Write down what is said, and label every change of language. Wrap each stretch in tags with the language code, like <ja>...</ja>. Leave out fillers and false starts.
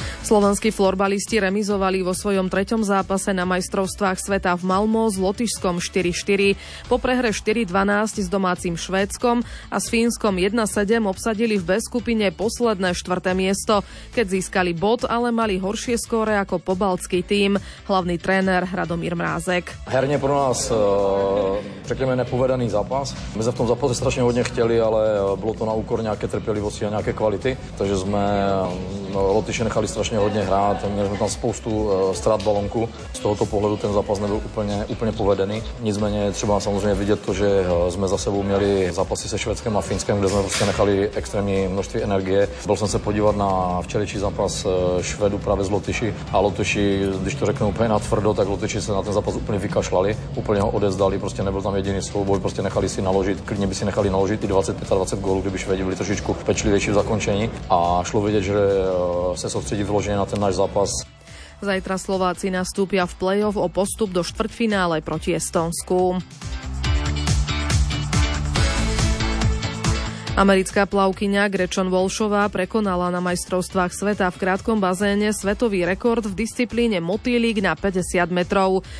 <sk>Slovenskí florbalisti remizovali vo svojom treťom zápase na majstrovstvách sveta v Malmö s Lotyšskom 4-4. Po prehre 4-12 s domácim Švédskom a s Fínskom 1-7 obsadili v B skupine posledné štvrté miesto. Keď získali bod, ale mali horšie skóre ako pobaltský tým. Hlavný tréner Radomír Mrázek.</sk> <cs>Herne pro nás, řekneme, nepovedaný zápas. My sme v tom zápase strašne hodne chtěli, ale bylo to na úkor nějaké trpělivosti a nějaké kvality, takže jsme Lotyši nechali strašně hodně hrát, měli jsme tam spoustu ztrát balonku. Z tohoto pohledu ten zápas nebyl úplně povedený. Nicméně třeba samozřejmě vidět to, že jsme za sebou měli zápasy se Švédskem a Finskem, kde jsme prostě nechali extrémní množství energie. Byl jsem se podívat na včerejší zápas Švédu právě z Lotyši a Lotyši, když to řeknu úplně natvrdo, tak Lotyši se na ten zápas úplně vykašlali, úplně ho odezdali, prostě nebyl tam jediný souboj, prostě nechali si naložit, klidně by si nechali naložit i 25 gólů, kdyby Švédi byli trošičku pečlivější v zakončení a šlo vidět, že se soustředí vyloženě na ten náš zápas.</cs> <sk>Zajtra Slováci nastúpia v play-off o postup do štvrťfinále proti Estonsku. Americká plavkyňa Gretchen Walshová prekonala na majstrovstvách sveta v krátkom bazéne svetový rekord v disciplíne motýlik na 50 metrov.</sk>